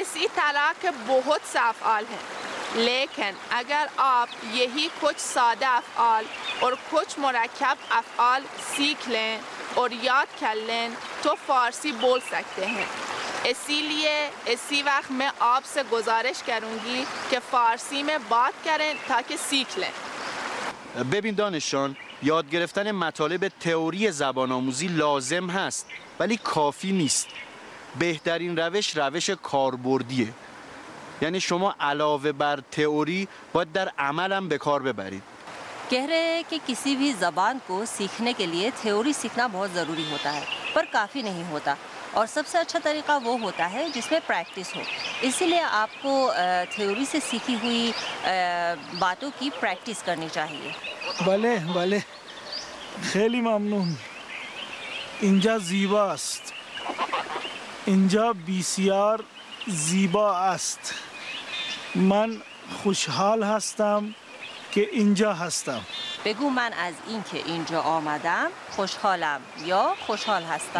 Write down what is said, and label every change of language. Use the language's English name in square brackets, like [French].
[Urdu] اسی طرح که بہت سے افعال ہیں، لیکن اگر آپ یہی کچھ سادہ افعال اور کچھ مرکب افعال سیکھ لیں اور یاد کر لیں تو فارسی بول سکتے ہیں. اسی لیے اسی وقت میں آپ سے گزارش کروں گی کہ فارسی میں بات کریں تاکہ سیکھ لیں. [Persian] ببین دانشان، یاد گرفتن مطالب تئوری زبان آموزی لازم هست ولی کافی نیست. بهترین روش، روش کاربردیه. یعنی شما علاوه بر تئوری باید در عمل هم به کار ببرید. [Urdu] کہہ رہے کہ کسی بھی زبان کو سیکھنے کے لیے تھیوری سیکھنا بہت ضروری ہوتا ہے، پر کافی نہیں ہوتا، اور سب سے اچھا طریقہ وہ ہوتا ہے جس میں پریکٹس ہو. اسی لیے آپ کو تھیوری سے سیکھی ہوئی باتوں کی پریکٹس کرنی چاہیے. بھلے بھلے، [Persian] خیلی ممنون. انجا زیبا است، انجا بسیار زیبا است. من خوشحال هستم که اینجا هستم. بگو من از اینکه اینجا آمدم خوشحالم یا خوشحال هستم؟